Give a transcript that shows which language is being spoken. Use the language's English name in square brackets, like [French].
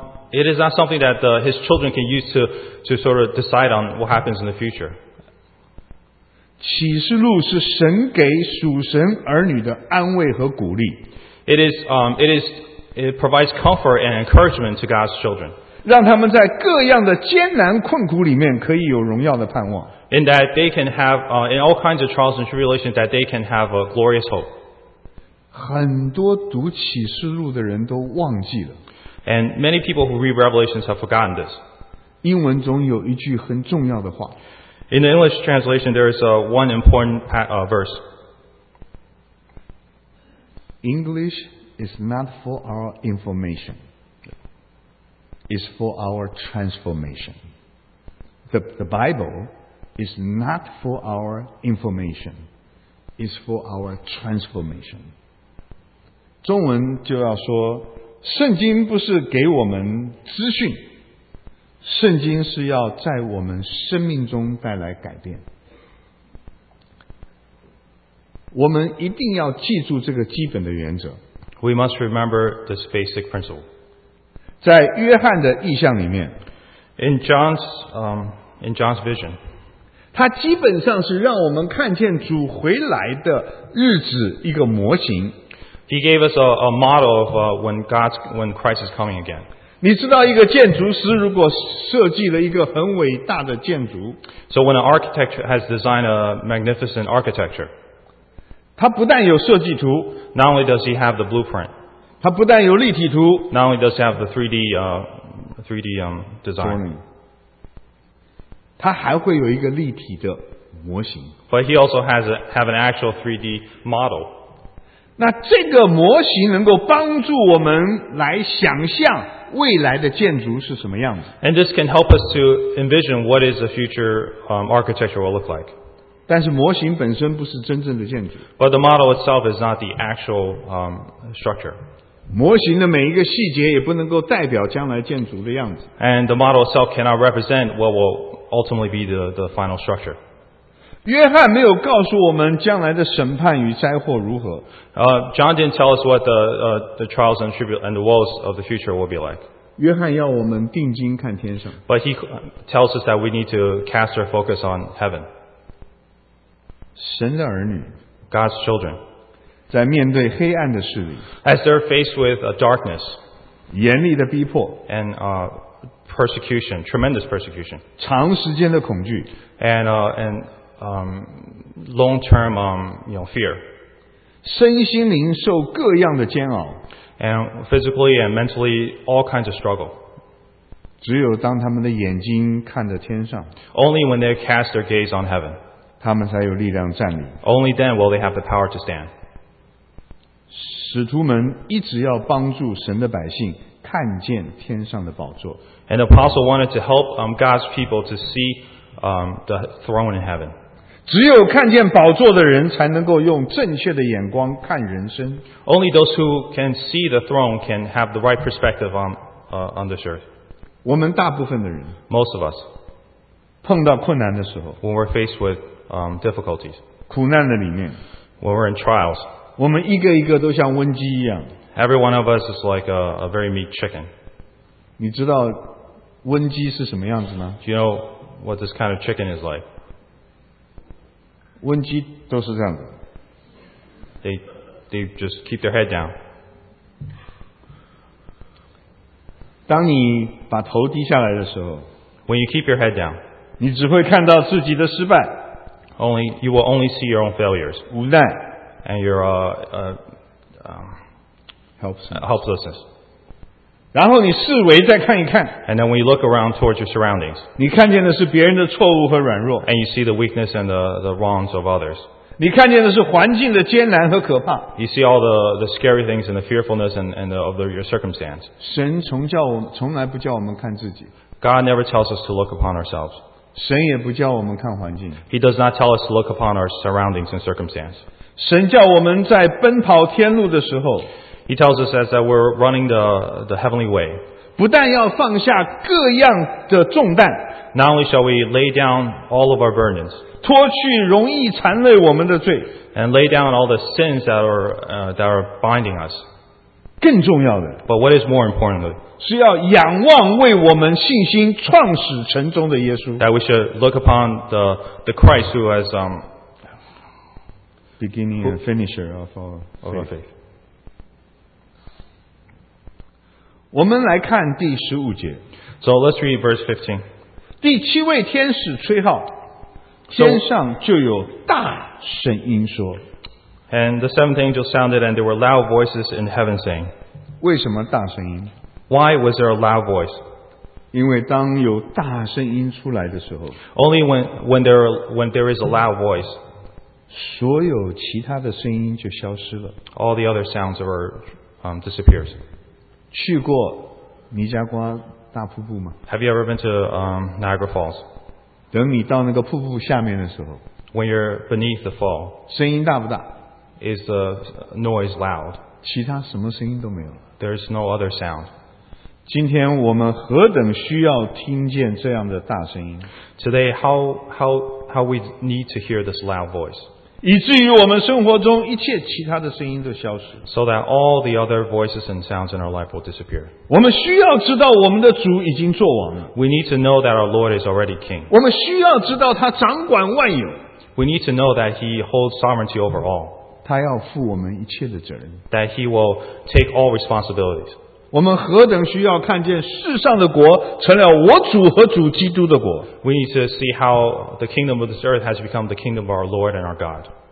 [English] It is not something that his children can use to sort of decide on what happens in the future. [Chinese] 启示录是神给属神儿女的安慰和鼓励。 [English] It provides comfort and encouragement to God's children. [Chinese] 让他们在各样的艰难困苦里面可以有荣耀的盼望。 [English] In that they can have, in all kinds of trials and tribulations, that they can have a glorious hope. [Chinese] 很多读启示录的人都忘记了。 [English] And many people who read Revelations have forgotten this. [Chinese] 英文中有一句很重要的话。 [English] In the English translation, there is one important verse. English is not for our information. Is for our transformation. The Bible is not for our information. Is for our transformation. [Chinese] 中文就要说，圣经不是给我们资讯，圣经是要在我们生命中带来改变。我们一定要记住这个基本的原则。 [English] We must remember this basic principle. [Chinese] 在约翰的意象里面 [English] in John's vision [Chinese] 他基本上是让我们看见主回来的日子一个模型。 [English] He gave us a model of when Christ is coming again. [Chinese] 你知道一个建筑师如果设计了一个很伟大的建筑 [English] So when an architect has designed a magnificent architecture [Chinese] 他不但有设计图 [English] Not only does he have the blueprint [Chinese] 它不但有立体图 [English] Not only does it have the 3D, 3D design [Chinese] 它还会有一个立体的模型 [English] But he also has have an actual 3D model [Chinese] 那这个模型能够帮助我们来想象未来的建筑是什么样子 [English] And this can help us to envision what is the future architecture will look like [Chinese] 但是模型本身不是真正的建筑 [English] But the model itself is not the actual structure [Chinese] 模型的每一个细节也不能够代表将来建筑的样子。 [English] And the model itself cannot represent what will ultimately be the final structure. [Chinese] 约翰没有告诉我们将来的审判与灾祸如何。 [English] John didn't tell us what the trials and the woes of the future will be like. [Chinese] 约翰要我们定睛看天上。 [English] But he tells us that we need to cast our focus on heaven. [Chinese] 神的儿女。 [English] God's children. [Chinese] 在面对黑暗的势力。 [English] As they're faced with a darkness. [Chinese] 严厉的逼迫。 [English] And persecution, tremendous persecution. [Chinese] 长时间的恐惧。 [English] And long-term, fear. [Chinese] 身心灵受各样的煎熬。 [English] And physically and mentally, all kinds of struggle. [Chinese] 只有当他们的眼睛看着天上。 [English] Only when they cast their gaze on heaven. [Chinese] 他们才有力量站立。 [English] Only then will they have the power to stand. [Chinese] 使徒们一直要帮助神的百姓看见天上的宝座。 [English] And the apostle wanted to help God's people to see the throne in heaven. [Chinese] 只有看见宝座的人才能够用正确的眼光看人生。 [English] Only those who can see the throne can have the right perspective on this earth. [Chinese] 我们大部分的人 [English] Most of us. [Chinese] 碰到困难的时候 [English] When we're faced with difficulties. [Chinese] 苦难的里面 [English] When we're in trials. [Chinese] 我们一个一个都像瘟鸡一样 [English] Every one of us is like a very meat chicken. [Chinese] 你知道瘟鸡是什么样子吗 [English] Do you know what this kind of chicken is like. [Chinese] 瘟鸡都是这样子。 [English] They just keep their head down. [Chinese] 当你把头低下来的时候 [English] When you keep your head down, [Chinese] 你只会看到自己的失败。 [English] You will only see your own failures. [Chinese] 无奈。 [English] And your helplessness. [Chinese] 然后你四围再看一看 [English] And then when you look around towards your surroundings [Chinese] 你看见的是别人的错误和软弱 [English] And you see the weakness and the wrongs of others [Chinese] 你看见的是环境的艰难和可怕 [English] You see all the scary things and the fearfulness and your circumstance [Chinese] 神从来不叫我们看自己 [English] God never tells us to look upon ourselves [Chinese] 神也不叫我们看环境 [English] He does not tell us to look upon our surroundings and circumstance [Chinese] 神叫我们在奔跑天路的时候 [English] He tells us that we're running the heavenly way. [Chinese] 不但要放下各样的重担 [English] Not only shall we lay down all of our burdens. [Chinese] 脱去容易缠累我们的罪 [English] And lay down all the sins that are binding us. [Chinese] 更重要的 [English] But what is more important? [Chinese] 是要仰望为我们信心创始成终的耶稣 [English] That we should look upon the Christ who has beginning and finisher of our faith. [Chinese] 我们来看第十五节。 [English] So let's read verse 15. [Chinese] 第七位天使吹号，天上就有大声音说。 [English] And the seventh angel sounded, and there were loud voices in heaven saying. [Chinese] 为什么大声音 [English] ？Why was there a loud voice？ [Chinese] 因为当有大声音出来的时候 [English] ，Only when there is a loud voice， [Chinese] 所有其他的声音就消失了。 [English] All the other sounds are disappears。 [Chinese] 去过尼加瓜大瀑布吗 [English] ？Have you ever been to Niagara Falls？ [Chinese] 等你到那个瀑布下面的时候 [English] ，When you're beneath the fall， [Chinese] 声音大不大 [English] ？Is the noise loud？ [Chinese] 其他什么声音都没有 [English] ？There's no other sound。 [Chinese] 今天我们何等需要听见这样的大声音 [English] ？Today how we need to hear this loud voice？ [Chinese] 以至于我们生活中一切其他的声音都消失。 [English] So that all the other voices and sounds in our life will disappear. [Chinese] 我们需要知道我们的主已经作王了。 [English] We need to know that our Lord is already king. [Chinese] 我们需要知道他掌管万有。 [English] We need to know that he holds sovereignty over all. [Chinese] 他要负我们一切的责任。 [English] That he will take all responsibilities. [Chinese] 我们何等需要看见世上的国成了我主和主基督的国。 [English] We need to see how the kingdom of this earth has become the kingdom of our Lord and our God.